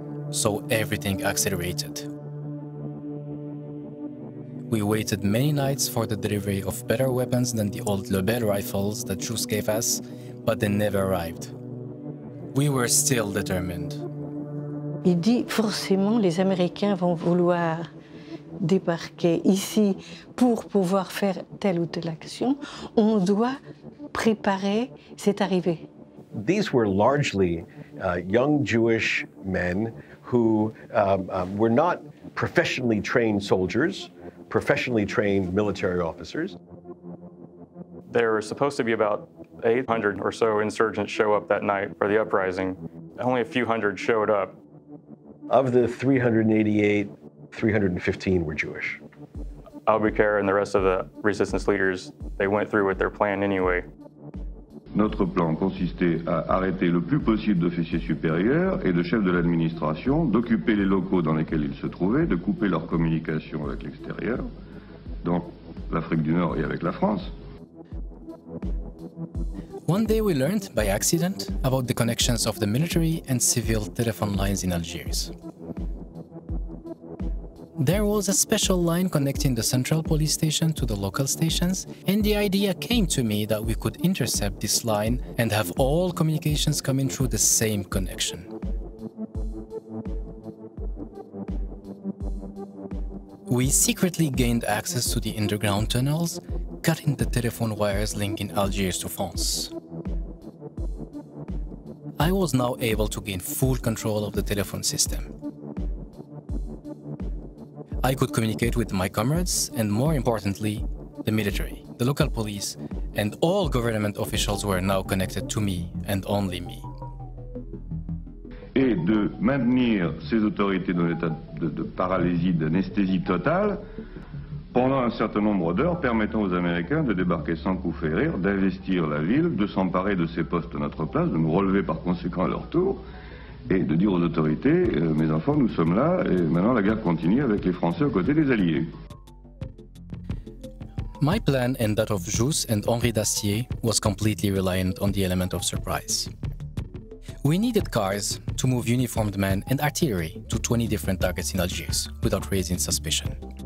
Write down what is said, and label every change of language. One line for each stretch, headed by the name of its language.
English: So everything accelerated. We waited many nights for the delivery of better weapons than the old Lebel rifles that Jus gave us, but they never arrived. We were still determined.
French: Il dit forcément les Américains vont vouloir débarquer ici pour pouvoir faire telle ou telle action. On doit préparer cette arrivée.
English: These were largely young Jewish men who were not professionally trained soldiers, professionally trained military officers. There were supposed to be about 800 or so insurgents show up that night for the uprising. Only a few hundred showed up. Of the 388, 315 were Jewish. Aubuquerque and the rest of the resistance leaders, they went through with their plan anyway.
French: Notre plan consistait à arrêter le plus possible d'officiers supérieurs et de chefs de l'administration, d'occuper les locaux dans lesquels ils se trouvaient, de couper leur communication avec l'extérieur, donc l'Afrique du Nord et avec la France.
English: One day we learned by accident about the connections of the military and civil telephone lines in Algiers. There was a special line connecting the central police station to the local stations, and the idea came to me that we could intercept this line and have all communications coming through the same connection. We secretly gained access to the underground tunnels, cutting the telephone wires linking Algiers to France. I was now able to gain full control of the telephone system. I could communicate with my comrades and, more importantly, the military, the local police, and all government officials were now connected to me and only me.
French: Et de maintenir ces autorités dans l'état de paralysie, d'anesthésie totale, pendant un certain nombre d'heures, permettant aux Américains de débarquer sans coup férir, d'investir la ville, de s'emparer de ces postes à notre place, de nous relever par conséquent à leur tour, et de dire aux autorités, mes enfants, nous sommes là, et maintenant la guerre continue avec les Français aux côtés des Alliés.
English: My plan and that of Jousse and Henri Dacier was completely reliant on the element of surprise. We needed cars to move uniformed men and artillery to 20 different targets in Algiers without raising suspicion.